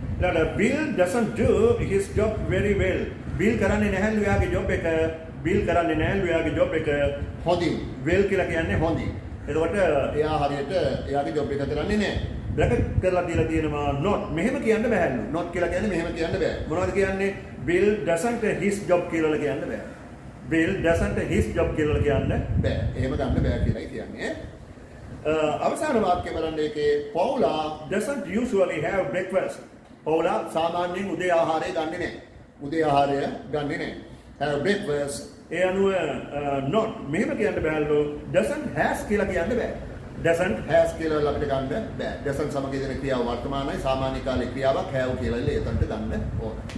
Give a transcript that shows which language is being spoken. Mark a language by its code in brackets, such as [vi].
[si] ඊළඟට [en] Bill doesn't do his job very well. [si] Bill කරන්නේ නැහැ ලෝයාගේ ජොබ් එක. Bill කරන්නේ නැහැ ලෝයාගේ ජොබ් එක. හොඳින්. Well කියලා කියන්නේ හොඳින්. එතකොට එයා හරියට එයාගේ ජොබ් එක කරන්නේ නැහැ. බ්‍රැකට් කරලා දීලා තියෙනවා not. මෙහෙම කියන්න බෑලු. Not කියලා කියන්නේ මෙහෙම කියන්න බෑ. මොනවද කියන්නේ? [en] Bill doesn't his job [si] කියලා කියන්න බෑ. [en] Bill doesn't his job [si] කියලා කියන්න බෑ. එහෙම ගන්න බෑ කියලායි කියන්නේ. අවසාන වාක්‍ය බලන්න ඒකේ [en] Paula doesn't usually have breakfast. [si] Paula සාමාන්‍යයෙන් උදේ ආහාරය ගන්නෙ නෑ. උදේ ආහාරය ගන්නෙ නෑ. [en] Have breakfast. [si] ඒ අනුව not. මෙහෙම කියන්න බෑලු. [en] Doesn't has [si] කියලා කියන්න බෑ. [en] Doesn't [si] has කියලා අපිට ගන්න බෑ. Doesn't සමග ඉදෙන ක්‍රියාව වර්තමානයි සාමාන්‍ය කාලේ ක්‍රියාවක් [en] have [si] කියලා එතනට ගන්න ඕන.